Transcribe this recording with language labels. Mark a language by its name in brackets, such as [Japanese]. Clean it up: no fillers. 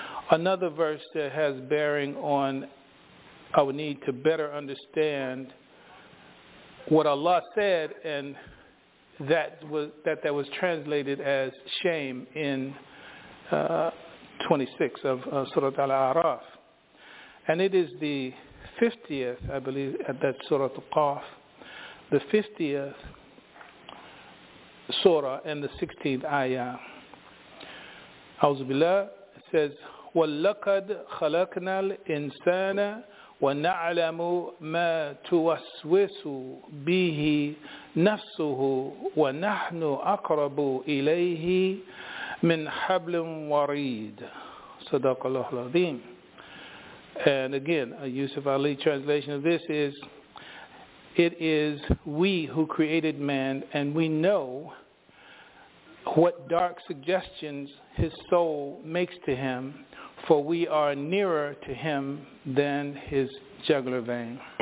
[English] Another verse that has bearing on our need to better understand what Allah said and that was translated as shame in 26 of Surah Al-A'raf. And it is the 50th, I believe, at that Surah Al-Qaf, the 50th Surah and the 16th Ayah. [Arabic] A'udhu Billah, [English] it says, [Arabic] وَلَّقَدْ خَلَقْنَا الْإِنسَانَ وَنَعْلَمُ مَا تُوَسْوِسُ بِهِ نَفْسُهُ وَنَحْنُ أَقْرَبُ إِلَيْهِ مِنْ حَبْلٍ وَرِيدٍ صدق الله العظيم. [English] And again, a Yusuf Ali translation of this is, it is we who created man, and we know what dark suggestions his soul makes to him, for we are nearer to him than his jugular vein.